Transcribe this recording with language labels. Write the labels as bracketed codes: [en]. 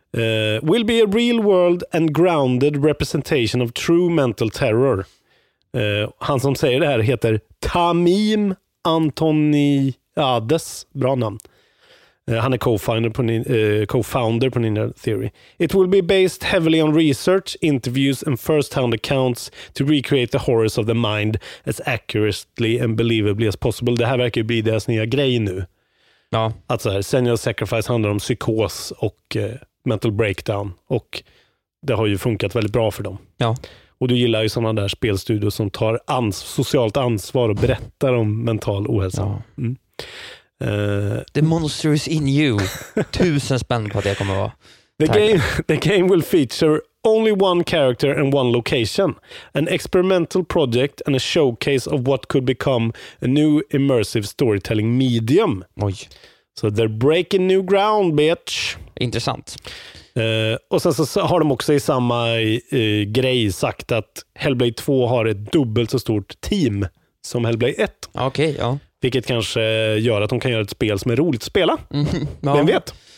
[en] Will be a real world and grounded representation of true mental terror. [sv] Han som säger det här heter Tamim Antoniades. Bra namn. Han är co-founder på Ninja Theory. [en] It will be based heavily on research, interviews and first-hand accounts to recreate the horrors of the mind as accurately and believably as possible. [sv] Det här verkar ju bli deras nya grej nu. Ja. Att så här, Senua's Sacrifice handlar om psykos och mental breakdown. Och det har ju funkat väldigt bra för dem. Ja. Och du gillar ju sådana där spelstudios som tar socialt ansvar och berättar om mental ohälsa. Ja. Mm. [en] The monster is in you. [sv] 1000 spänn på att det kommer att vara. [en] The game will feature only one character and one location. An experimental project and a showcase of what could become a new immersive storytelling medium. [sv] Oj. [en] So they're breaking new ground, bitch. [sv] Intressant. Och sen så har de också i samma grej sagt att Hellblade 2 har ett dubbelt så stort team som Hellblade 1. Okej, okay, ja. Vilket kanske gör att de kan göra ett spel som är roligt att spela. Mm, ja. Vem vet?